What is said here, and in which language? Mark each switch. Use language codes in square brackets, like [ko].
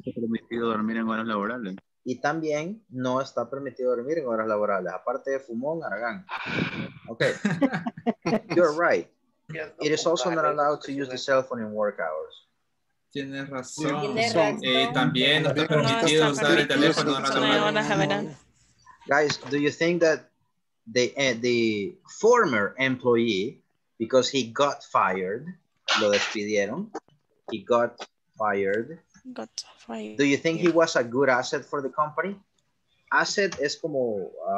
[es] También no está permitido dormir en horas laborales. Y también no está permitido dormir en horas laborales, aparte de fumón, aragán. [en] Okay. You're right. It is also not allowed to use the cell phone in work hours. [es] Tienes razón. También no está permitido usar el teléfono en horas laborales. [en] Guys, do you think that the former employee, because he got fired, [es] lo despidieron, [en] he got fired. Do you think he was a good asset for the company? [es] Asset es como